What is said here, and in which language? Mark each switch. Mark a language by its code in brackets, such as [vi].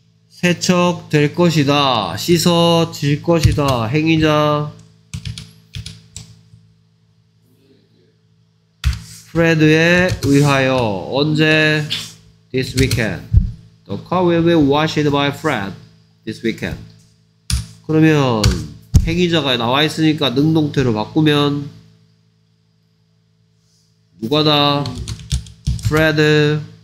[ko] 세척될 것이다. 씻어질 것이다. 행위자 프레드에 의하여 언제? [en] This weekend. The car will be washed by Fred this weekend. [ko] 그러면 행위자가 나와 있으니까 능동태로 바꾸면 누가다? [en] Fred this